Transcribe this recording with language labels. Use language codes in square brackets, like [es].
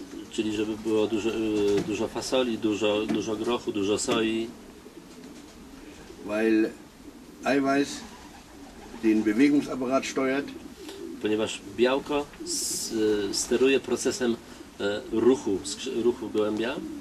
[pl] Czyli żeby było dużo fasoli, dużo grochu, dużo soi. [de] Weil Eiweiß den Bewegungsapparat steuert. [pl] Ponieważ białko steruje procesem ruchu gołębia.